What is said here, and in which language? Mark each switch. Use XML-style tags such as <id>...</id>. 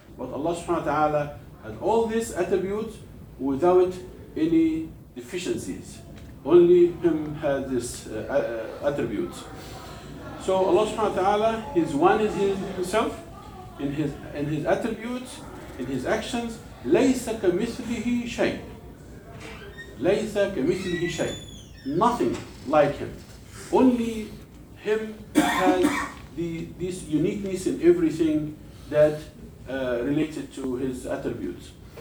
<en>But Allah subhanahu wa ta'ala had all these attributes without any deficiencies. Only Him has this attributes. So Allah subhanahu wa ta'ala is one in Himself, in his attributes, in His actions.</en> <ar>لَيْسَ كَمِثْلِهِ شَيْءٍ لَيْسَ كَمِثْلِهِ شَيْءٍ</ar> <en>Nothing like Him. Only Him has this uniqueness in everything that related to His attributes.</en>